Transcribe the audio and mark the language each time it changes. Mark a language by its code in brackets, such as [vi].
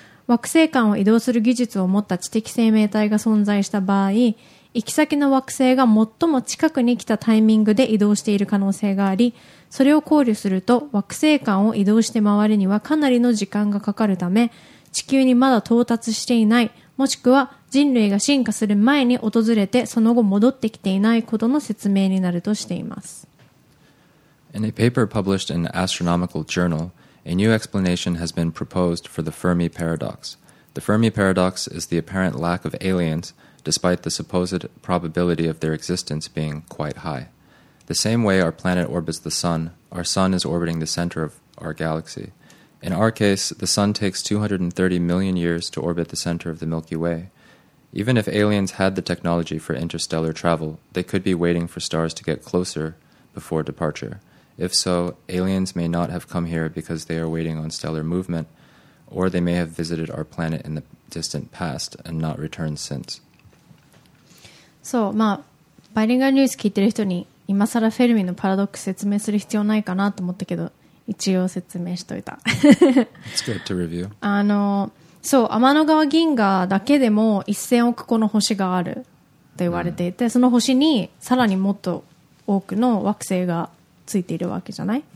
[ja] 惑星間を移動する技術を持った知的生命体が存在した場合、行き先の惑星が最も近くに来たタイミングで移動している可能性があり、それを考慮すると惑星間を移動して回るにはかなりの時間がかかるため、地球にまだ到達していない、もしくは人類が進化する前に訪れてその後戻ってきていないことの説明になるとしています。 [en] In a paper published in Astronomical Journal,A new explanation has been proposed for the Fermi paradox. The Fermi paradox is the apparent lack of aliens, despite the supposed probability of their existence being quite high. The same way our planet orbits the Sun, our Sun is orbiting the center of our galaxy. In our case, the Sun takes 230 million years to orbit the center of the Milky Way. Even if aliens had the technology for interstellar travel, they could be waiting for stars to get closer before departure. If so, aliens may not have come here because they are waiting on stellar movement, or they may have visited our planet in the distant past and not returned since. [ja] そう、まあ、バイリンガルニュース聞いてる人に今更フェルミのパラドックス説明する必要ないかなと思ったけど、一応説明しといた。 [en] It's good to review. [ja] あの、そう、天の川銀河だけでも1000億個の星があると言われていて、その星にさらにもっと多くの惑星がついているわけじゃない、